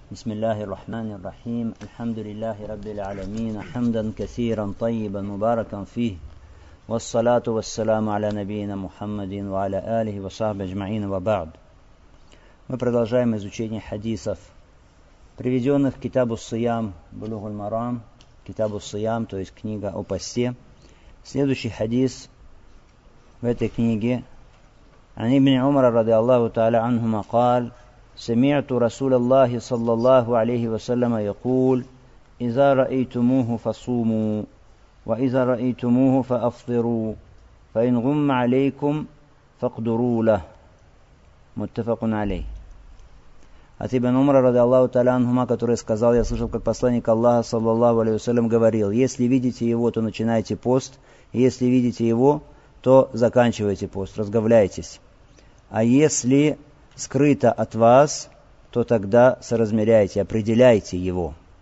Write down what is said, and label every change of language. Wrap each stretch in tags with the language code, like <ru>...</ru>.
<ar>بسم الله الرحمن الرحيم الحمد لله رب العالمين حمدا كثيرا طيبا مباركا فيه والصلاة والسلام على نبينا محمد وعلى آله وصحبه أجمعين وبعد.</ar> <ru>Мы продолжаем изучение хадисов, приведенных в Китабу Сиям, Булугу Марам, Китабу Сиям, то есть книга о посте. Следующий хадис в этой книге.</ru> <ar>عن ابن عمر رضي الله تعالى عنهما قال سمعت رسول الله صلى الله عليه وسلم يقول إذا رأيتموه فصوموا وإذا رأيتموه فأفطروا فإن غم عليكم فاقدروا له. متفق عليه.</ar> <ru>От ибн Умара</ru> <ar>رضي الله تعالى عنهما,</ar> <ru>который сказал, я слышал, как посланник Аллаха</ru> <ar>صلى الله عليه وسلم</ar> <ru>говорил, если видите его, то начинайте пост, и если видите его, то заканчивайте пост, разговляйтесь. А если скрыто от вас, то тогда соразмеряйте, определяйте его.</ru>